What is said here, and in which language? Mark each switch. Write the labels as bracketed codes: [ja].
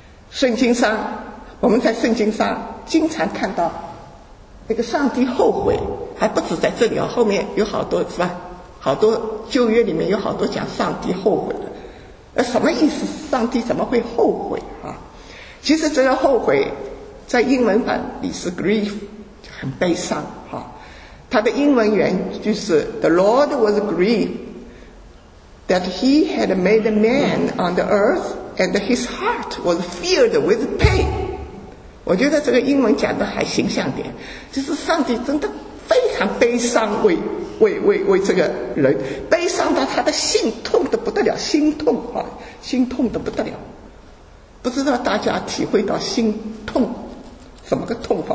[zh] 圣经上，我们在圣经上经常看到那个上帝后悔，还不止在这里啊，后面有好多，是吧？好多旧约里面有好多讲上帝后悔的。什么意思？上帝怎么会后悔啊？其实这个后悔在英文版里是 grief， 很悲伤啊。它的英文原句是 [en] The Lord was grieved that he had made man on the earth and his heart was filled with pain。 [zh] 我觉得这个英文讲的还形象点，就是上帝真的非常悲伤，为这个人悲伤到他的心痛得不得了，心痛啊，心痛得不得了。不知道大家体会到心痛什么个痛法？